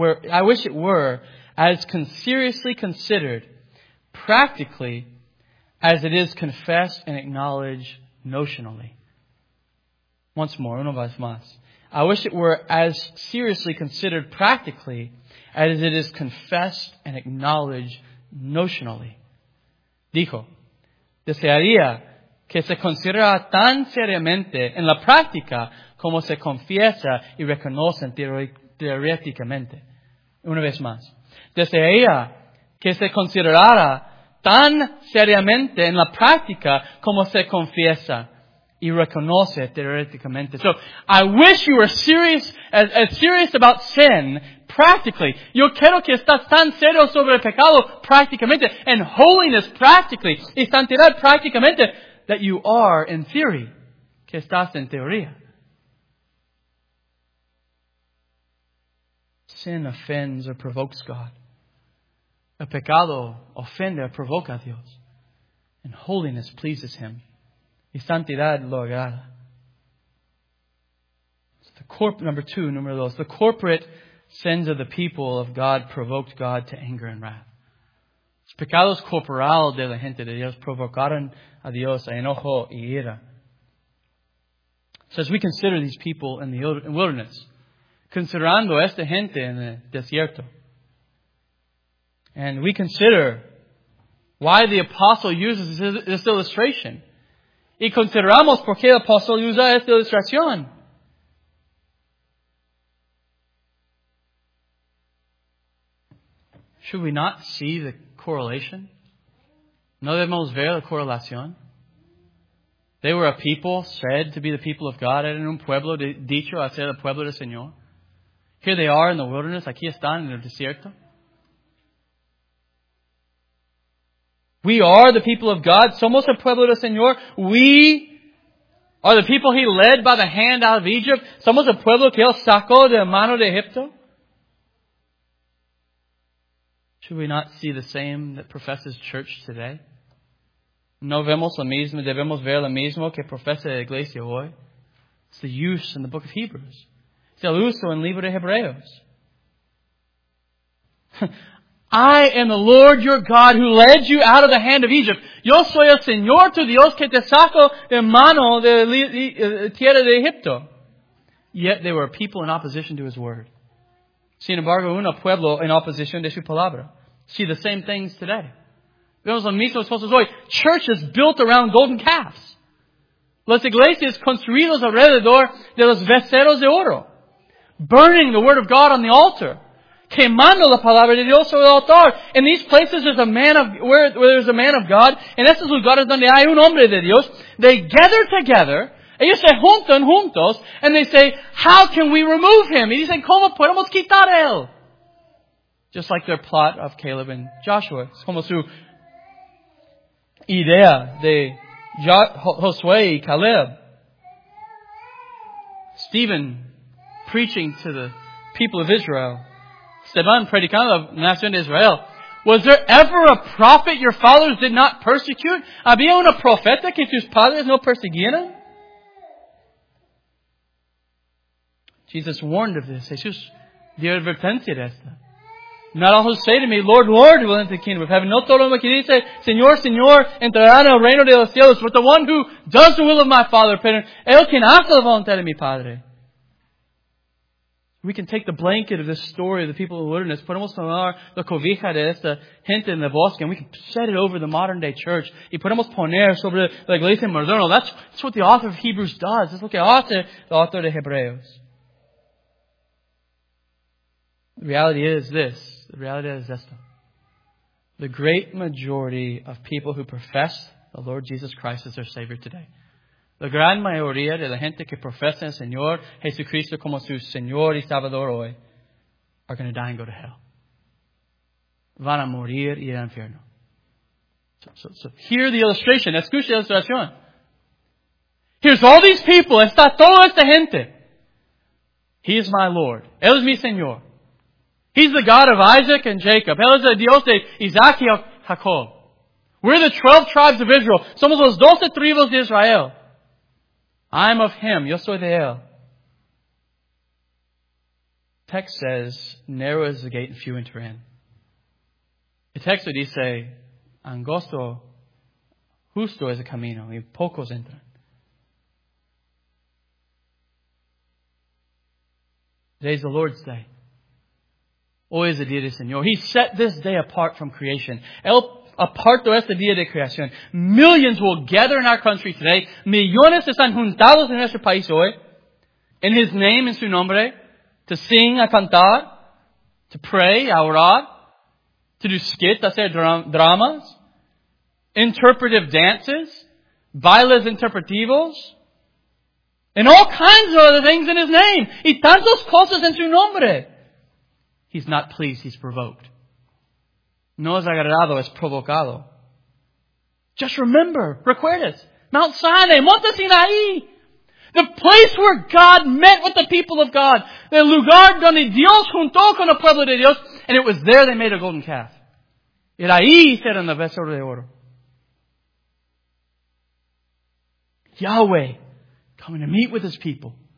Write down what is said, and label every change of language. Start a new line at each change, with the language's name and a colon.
English: I wish it were as seriously considered, practically, as it is confessed and acknowledged notionally. Once more,
Spanish: uno vez más.
English: I wish it were as seriously considered, practically, as it is confessed and acknowledged notionally.
Spanish: Dijo, desearía que se considera tan seriamente en la práctica como se confiesa y reconoce teóricamente. Una vez más. Desearía que se considerara tan seriamente en la práctica como se confiesa y reconoce teóricamente.
English: So, I wish you were serious, as serious about sin, practically.
Spanish: Yo quiero que estás tan serio sobre el pecado, prácticamente,
English: and holiness, practically,
Spanish: y santidad, prácticamente,
English: that you are in theory,
Spanish: que estás en teoría.
English: Sin offends or provokes God.
Spanish: El pecado ofende o provoca a Dios.
English: And holiness pleases Him.
Spanish: Y santidad lo agrada.
English: Number two, the corporate sins of the people of God provoked God to anger and wrath.
Spanish: Los pecados corporales de la gente de Dios provocaron a Dios a enojo y ira.
English: So as we consider these people in the wilderness,
Spanish: considerando esta gente en el desierto,
English: and we consider why the apostle uses this illustration,
Spanish: y consideramos por qué el apóstol usa esta ilustración.
English: Should we not see the correlation?
Spanish: ¿No debemos ver la correlación?
English: They were a people said to be the people of God, and
Spanish: un pueblo dicho a ser el pueblo del Señor.
English: Here they are in the wilderness,
Spanish: aquí están en el desierto.
English: We are the people of God,
Spanish: somos el pueblo del Señor.
English: We are the people He led by the hand out of Egypt,
Spanish: somos el pueblo que Él sacó de la mano de Egipto.
English: Should we not see the same that professes church today?
Spanish: No vemos lo mismo, debemos ver lo mismo que profesa la iglesia hoy.
English: It's the use in the book of Hebrews.
Spanish: It's el uso en el libro de Hebreos.
English: I am the Lord your God who led you out of the hand of Egypt.
Spanish: Yo soy el Señor tu Dios que te saco de mano de tierra de Egipto.
English: Yet they were a people in opposition to his word.
Spanish: Sin embargo, un pueblo en oposición de su palabra.
English: See the same things today.
Spanish: Vemos los mismos cosas hoy.
English: Churches built around golden calves.
Spanish: Las iglesias construidas alrededor de los becerros de oro.
English: Burning the word of God on the altar.
Spanish: Quemando la palabra de Dios sobre el altar.
English: In these places there's a man of, where there's a man of God.
Spanish: En estos lugares donde hay un hombre de Dios.
English: They gather together.
Spanish: Ellos se juntan juntos.
English: And they say, how can we remove him?
Spanish: Y dicen, ¿cómo podemos quitar él?
English: Just like their plot of Caleb and Joshua.
Spanish: Es como su idea de Josué y Caleb.
English: Stephen preaching to the people of Israel.
Spanish: Esteban predicando la nación de Israel.
English: Was there ever a prophet your fathers did not persecute?
Spanish: ¿Había una profeta que tus padres no persiguieron?
English: Jesus warned of this.
Spanish: Jesús dio advertencia de esto.
English: Not all who say to me, Lord, Lord, will enter the kingdom of heaven.
Spanish: No todo lo que dice, Señor, Señor, entrará en el reino de los cielos.
English: But the one who does the will of my Father,
Spanish: el quien hace la voluntad de mi Padre.
English: We can take the blanket of this story of the people of the wilderness,
Spanish: podemos tomar la cobija de esta gente en el bosque,
English: and we can set it over the modern day church,
Spanish: y podemos poner sobre la iglesia moderna.
English: That's what the author of Hebrews does. That's what
Spanish: hace el autor de Hebreos.
English: The reality is esto. The great majority of people who profess the Lord Jesus Christ as their Savior today.
Spanish: La gran mayoría de la gente que profesa el Señor Jesucristo como su Señor y Salvador hoy
English: are going to die and go to hell.
Spanish: Van a morir y ir al infierno.
English: So hear the illustration.
Spanish: Escucha la ilustración.
English: Here's all these people.
Spanish: Está toda esta gente.
English: He is my Lord.
Spanish: Él es mi Señor.
English: He's the God of Isaac and Jacob.
Spanish: Él es el Dios de Isaac y Jacob.
English: We're the 12 tribes of Israel.
Spanish: Somos los 12 tribus de Israel.
English: I'm of him.
Spanish: Yo soy de él.
English: Text says, narrow is the gate and few enter in. The text would say,
Spanish: angosto, justo es el camino y pocos entran.
English: Today's the Lord's day.
Spanish: Hoy es el día del Señor.
English: He set this day apart from creation.
Spanish: El aparto este día de creación.
English: Millions will gather in our country today.
Spanish: Millones están juntados en nuestro país hoy.
English: In his name, in
Spanish: su nombre.
English: To sing,
Spanish: a cantar.
English: To pray,
Spanish: a orar.
English: To do skit,
Spanish: hacer dramas.
English: Interpretive dances.
Spanish: Bailes interpretivos.
English: And all kinds of other things in his name.
Spanish: Y tantos cosas en su nombre.
English: He's not pleased, he's provoked.
Spanish: No es agarrado, es provocado.
English: Just remember, recuerdes, Mount Sinai, Monte Sinai, the place where God met with the people of God, the
Spanish: lugar donde Dios juntó con el pueblo de Dios,
English: and it was there they made a golden calf.
Spanish: Y ahí hicieron el becerro de oro.
English: Yahweh, coming to meet with his people.